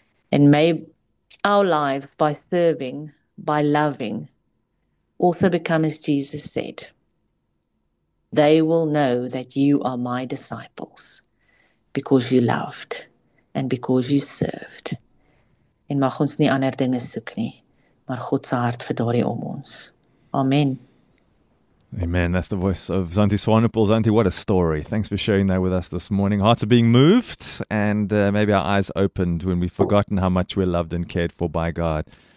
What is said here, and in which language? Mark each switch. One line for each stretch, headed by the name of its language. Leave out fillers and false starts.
English: And may our lives, by serving, by loving, also become as Jesus said, they will know that you are my disciples because you loved and because you served.
Afrikaans: En mag ons nie ander dinge soek nie, maar God se hart vir daardie om ons. Amen.
English: Amen. That's the voice of Zanti Swanepoel. Zanti, what a story. Thanks for sharing that with us this morning. Hearts are being moved and maybe our eyes opened when we've forgotten how much we're loved and cared for by God.